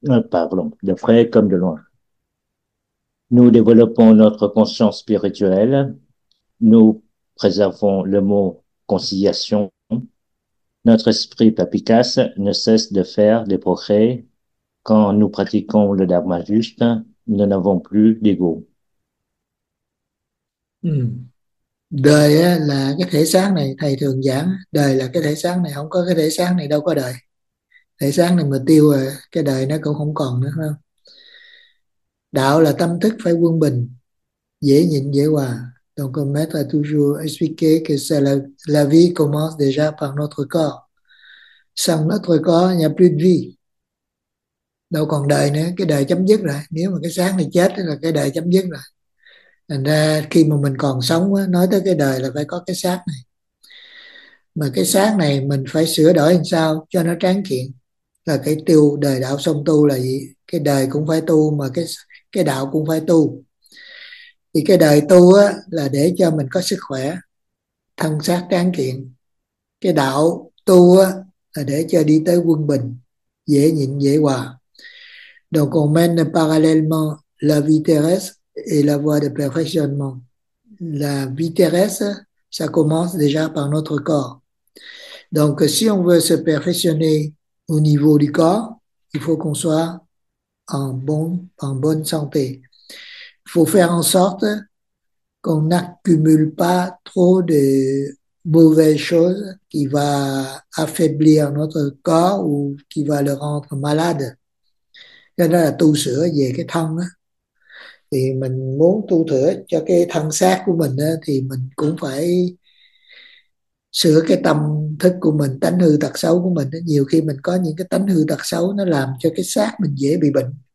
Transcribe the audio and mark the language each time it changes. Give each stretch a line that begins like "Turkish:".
French: Pardon, de près comme de loin. Nous développons notre conscience spirituelle, nous préservons le mot conciliation. Notre esprit perspicace ne cesse de faire des progrès. Quand nous pratiquons le dharma juste, nous n'avons plus d'ego.
Vietnamese: Đời á, là cái thể xác này, thầy thường giảng đời là cái thể xác này, không có cái thể xác này đâu có đời, thể xác này mà tiêu rồi cái đời nó cũng không còn nữa, không? Đạo là tâm thức phải quân bình, dễ nhịn dễ hòa.
French: Donc le maître a toujours expliqué que c'est la vie commence déjà par notre corps. Sans notre corps, il n'y a plus de vie.
Vietnamese: Đâu còn đời nữa, cái đời chấm dứt rồi. Nếu mà cái xác này chết là cái đời chấm dứt rồi. Thành ra khi mà mình còn sống á, nói tới cái đời là phải có cái xác này. Mà cái xác này mình phải sửa đổi làm sao cho nó tráng kiện. Là cái tiêu đời đạo song tu là gì? Cái đời cũng phải tu mà cái đạo cũng phải tu. Thì cái đời tu á, là để cho mình có sức khỏe, thân xác tráng kiện. Cái đạo tu á, là để cho đi tới quân bình, dễ nhịn dễ hòa.
French: Donc on mène parallèlement la vie terrestre et la voie de perfectionnement. La vie terrestre, ça commence déjà par notre corps. Donc, si on veut se perfectionner au niveau du corps, il faut qu'on soit en bonne santé. Il faut faire en sorte qu'on n'accumule pas trop de mauvaises choses qui va affaiblir notre corps ou qui va le rendre malade.
Vietnamese: Cho nên là tu sửa về cái thân á. Thì mình muốn tu sửa cho cái thân xác của mình á, thì mình cũng phải sửa cái tâm thức của mình, tánh hư tật xấu của mình. Nhiều khi mình có những cái tánh hư tật xấu nó làm cho cái xác mình dễ bị bệnh.